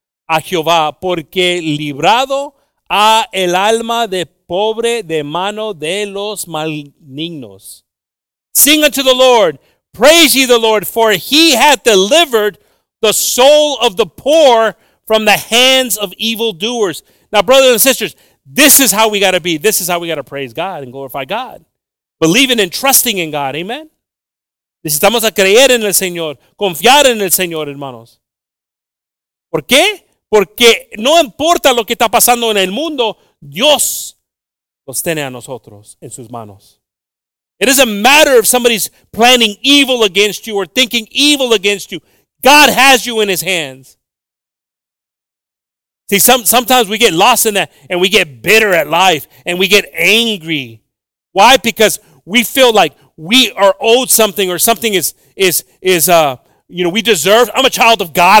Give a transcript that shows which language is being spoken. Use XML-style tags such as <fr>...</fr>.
<es>A Jehová, porque librado a el alma de pobre de mano de los malignos.</es> <en>Sing unto the Lord, praise ye the Lord, for he hath delivered the soul of the poor from the hands of evildoers. Now, brothers and sisters, this is how we got to be. This is how we got to praise God and glorify God. Believing and trusting in God, amen?</en> <es>Necesitamos a creer en el Señor, confiar en el Señor, hermanos. ¿Por qué? Porque no importa lo que está pasando en el mundo, Dios los tiene a nosotros en sus manos.</es> <en>It doesn't matter if somebody's planning evil against you or thinking evil against you. God has you in his hands. See, sometimes we get lost in that and we get bitter at life and we get angry. Why? Because we feel like we are owed something or something we deserve. I'm a child of God.</en>